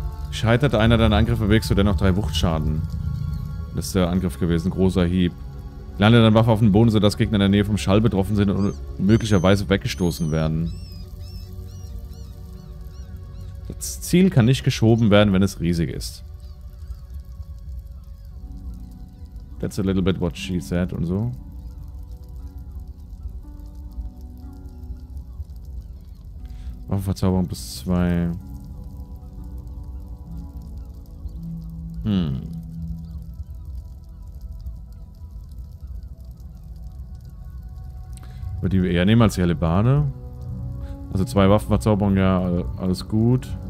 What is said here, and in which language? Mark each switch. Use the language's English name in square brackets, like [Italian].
[German] Scheitert einer deiner Angriffe, wirkst du dennoch 3 Wuchtschaden. Das ist der Angriff gewesen. Großer Hieb. Lande deine Waffe auf den Boden, sodass Gegner in der Nähe vom Schall betroffen sind und möglicherweise weggestoßen werden. Das Ziel kann nicht geschoben werden, wenn es riesig ist. [English] That's a little bit what she said [German] und so. Waffenverzauberung plus 2. Aber die eher nehmen als die Hellebarde. Also 2 Waffenverzauberungen, ja, alles gut.